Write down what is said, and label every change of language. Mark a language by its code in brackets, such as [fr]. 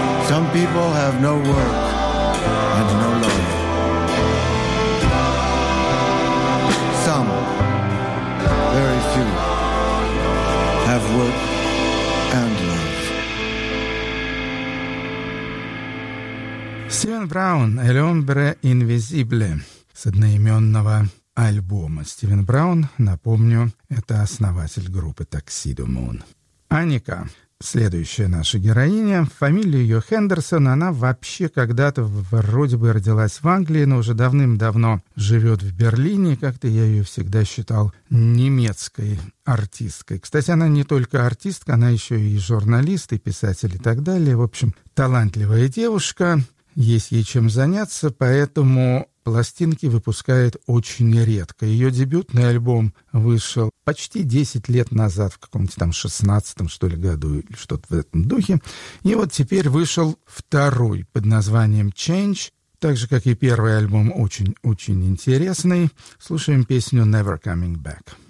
[en] Some people have no work and no love. Some, very few, have work and love. [ru] Стивен Браун, «El hombre invisible» с одноименного альбома. Стивен Браун, напомню, это основатель группы Tuxedo Moon. Аника, следующая наша героиня, фамилия ее Хендерсон, она вообще когда-то вроде бы родилась в Англии, но уже давным-давно живет в Берлине, как-то я ее всегда считал немецкой артисткой. Кстати, она не только артистка, она еще и журналист, и писатель, и так далее. В общем, талантливая девушка, есть ей чем заняться, поэтому пластинки выпускает очень редко. Ее дебютный альбом вышел почти 10 лет назад, в каком-нибудь там 16-м, что ли, году, или что-то в этом духе. И вот теперь вышел второй под названием «Change». Так же, как и первый альбом, очень-очень интересный. Слушаем песню «Never Coming Back».